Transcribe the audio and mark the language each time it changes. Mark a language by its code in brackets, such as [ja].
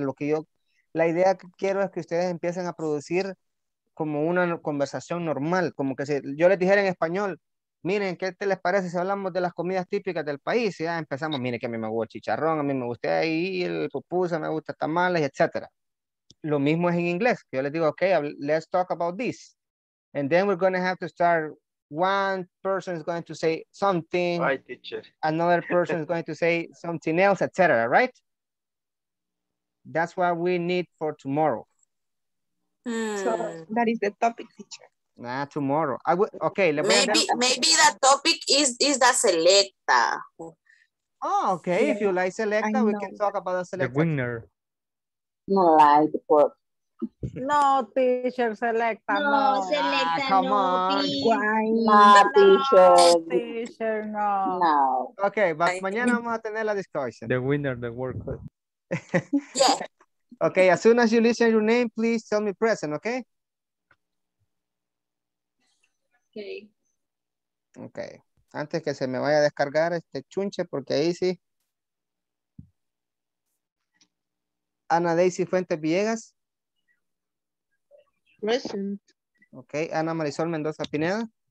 [es] Lo que yo, la idea que quiero es que ustedes empiecen a producir como una conversación normal, como que si yo les dijera en español, miren, ¿qué te les parece si hablamos de las comidas típicas del país? Y ya empezamos, miren que a mí me gusta chicharrón, a mí me gusta ahí, el pupusa, me gusta tamales, etc. Lo mismo es en inglés, que yo les digo, [en] okay, let's talk about this. And then we're going to have to start, one person is going to say something, right, teacher. Another person is going to say something else, etc. Right? That's what we need for tomorrow. So that is the topic, teacher. Nah, tomorrow. Okay. Maybe the topic is the selecta. Oh, okay. Yeah. If you like selecta, we can talk about the selecta. The winner. No like what. No, teacher, selecta. No, selecta, no. Come on. No, teacher. Teacher, no. No. Okay, but [es] mañana vamos a tener la discussion. [en] The winner, the worker. Yeah. Okay, as soon as you listen your name, please tell me present, okay? Okay. [es] Antes que se me vaya a descargar este chunche, porque ahí sí. Ana Daisy Fuentes Villegas. [en] Present. Okay, Ana Marisol Mendoza Pineda.